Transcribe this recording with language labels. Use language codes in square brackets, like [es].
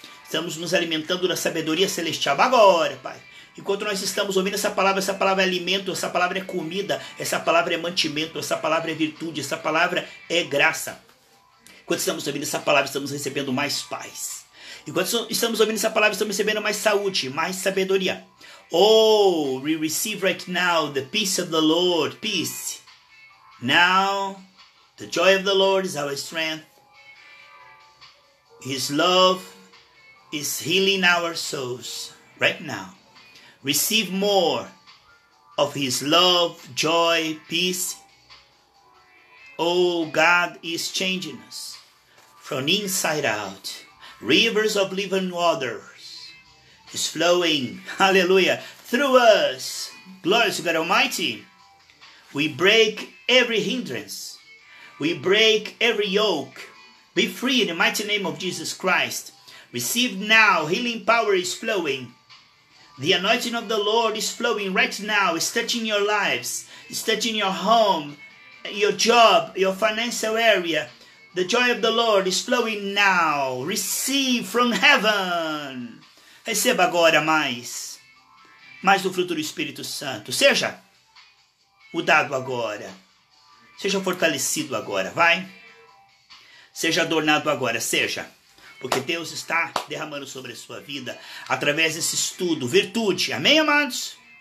[pt] Estamos nos alimentando da sabedoria celestial. Agora, Pai, enquanto nós estamos ouvindo essa palavra é alimento, essa palavra é comida, essa palavra é mantimento, essa palavra é virtude, essa palavra é graça. Enquanto estamos ouvindo essa palavra, estamos recebendo mais paz. Enquanto estamos ouvindo essa palavra, estamos recebendo mais saúde, mais sabedoria. [en] Oh, we receive right now the peace of the Lord, peace. Now, the joy of the Lord is our strength. His love is healing our souls right now. Receive more of His love, joy, peace. Oh, God is changing us from inside out. Rivers of living water. It's flowing, hallelujah, through us. Glory to God Almighty. We break every hindrance. We break every yoke. Be free in the mighty name of Jesus Christ. Receive now. Healing power is flowing. The anointing of the Lord is flowing right now. It's touching your lives. It's touching your home, your job, your financial area. The joy of the Lord is flowing now. Receive from heaven. [pt] Receba agora mais do fruto do Espírito Santo. Seja mudado agora. Seja fortalecido agora, vai. Seja adornado agora, seja. Porque Deus está derramando sobre a sua vida, através desse estudo, virtude. Amém, amados?